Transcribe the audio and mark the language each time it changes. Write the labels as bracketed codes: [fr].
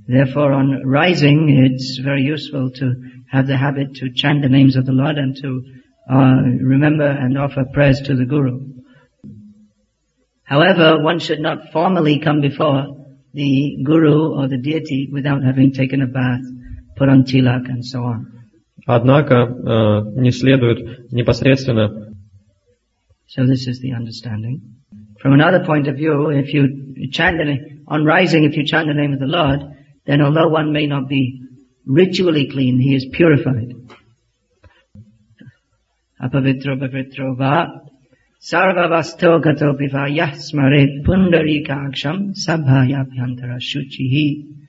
[en] Therefore, on rising, it's very useful to have the habit to chant the names of the Lord and to remember and offer prayers to the Guru. However, one should not formally come before the Guru or the deity without having taken a bath, put on tilak, and so on. [ru] Однако, не следует непосредственно... [en] So this is the understanding. From another point of view, if you chant on rising, if you chant the name of the Lord, then although one may not be ritually clean, he is purified. [sa] Apavitro bhavitro va. Sarvavasto gatopiva yasmarit pundarikaksham sabhayabhyantara shuchihi.